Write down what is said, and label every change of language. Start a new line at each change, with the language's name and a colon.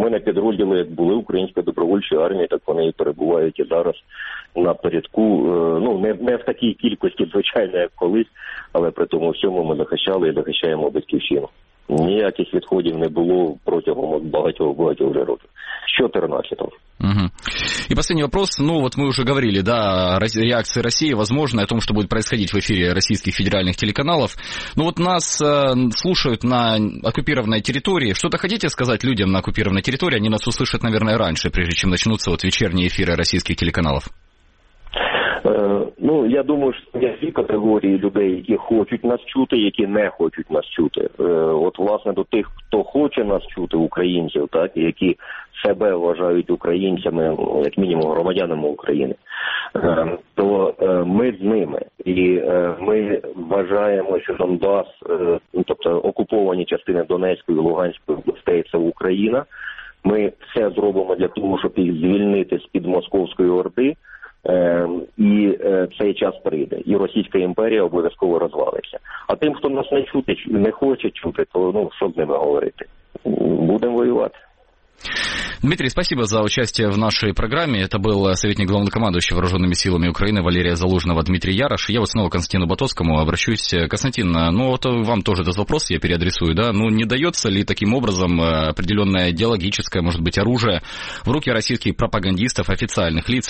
Ukrainian: Ми на підрозділі, як були українська добровольча армія, так вони і перебувають і зараз на порядку. Ну, не в такій кількості, звичайно, як колись, але при тому всьому ми захищали і захищаємо батьківщину. Ніяких відходів не було протягом багатьох-багатьох вже років. З 14-го.
Russian: Угу. И последний вопрос. Ну, вот мы уже говорили, да, о реакции России, возможно, о том, что будет происходить в эфире российских федеральных телеканалов. Ну, вот нас слушают на оккупированной территории. Что-то хотите сказать людям на оккупированной территории? Они нас услышат, наверное, раньше, прежде чем начнутся вот вечерние эфиры российских телеканалов.
Ukrainian: Ну, я думаю, що є дві категорії людей, які хочуть нас чути, які не хочуть нас чути. От, власне, до тих, хто хоче нас чути, українців, так, які себе вважають українцями, як мінімум громадянами України, то ми з ними. І ми вважаємо, що Донбас, тобто окуповані частини Донецької, Луганської областей, це Україна. Ми все зробимо для того, щоб їх звільнити з-під московської орди. І цей час прийде, і Російська імперія обов'язково розвалиться. А тим, хто нас не чути, не хоче чути, то ну що з ними говорити? Будемо воювати.
Russian: Дмитрий, спасибо за участие в нашей программе. Это был советник главнокомандующего вооруженными силами Украины Валерия Залужного Дмитрий Ярош. Я вот снова к Константину Батовскому обращусь. Константин, ну вот вам тоже этот вопрос я переадресую, да? Ну не дается ли таким образом определенное идеологическое, может быть, оружие в руки российских пропагандистов, официальных лиц?